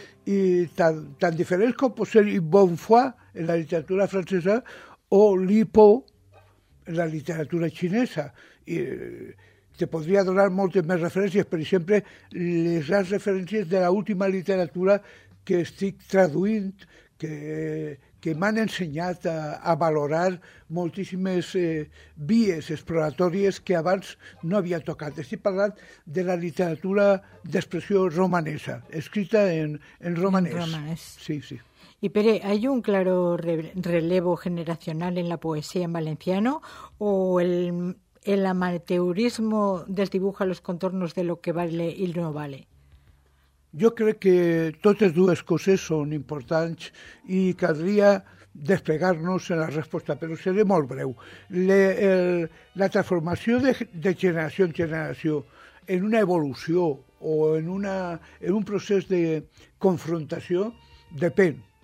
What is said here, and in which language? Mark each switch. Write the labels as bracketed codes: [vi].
[ca] I tan diferents com pot ser Bonfoy en la literatura francesa o Li Po la literatura xinesa, i te podria donar moltes més referències, per exemple, les grans referències de l'última literatura que estic traduint, que m'han ensenyat a valorar moltíssimes vies exploratòries que abans no havia tocat. Estic parlant de la literatura d'expressió romanesa, escrita en romanès. En romanès. Sí, sí. [es] Y Pere, ¿hay un claro relevo generacional en la poesía en valenciano o el amateurismo desdibuja los contornos de lo que vale y no vale? Yo creo que [ca] totes dues coses són importants i caldria desplegar-nos en la resposta, però seré molt breu. La transformació de generació en generació en una evolució o en un procés de confrontació depèn.